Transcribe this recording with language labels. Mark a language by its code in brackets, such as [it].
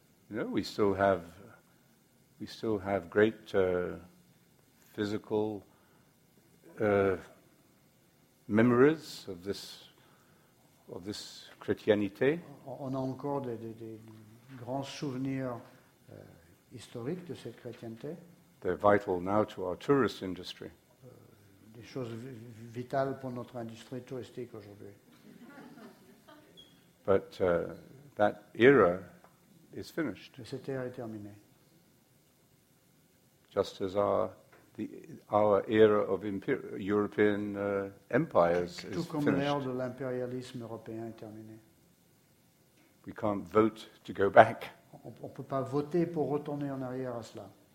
[en] We still have great physical memories of this Christianité. [fr] On a encore des grands souvenirs historiques de cette chrétienté. [en] They're vital now to our tourist industry. [fr] Des choses vitales pour notre industrie touristique aujourd'hui. [en] But that era is finished. [fr] Mais cette ère est terminée. [en] Just as our era of European empires is finished. [fr] Tout comme l'ère de l'impérialisme européen est terminée. [en] We can't vote to go back. [fr] On peut pas voter pour retourner en arrière à cela.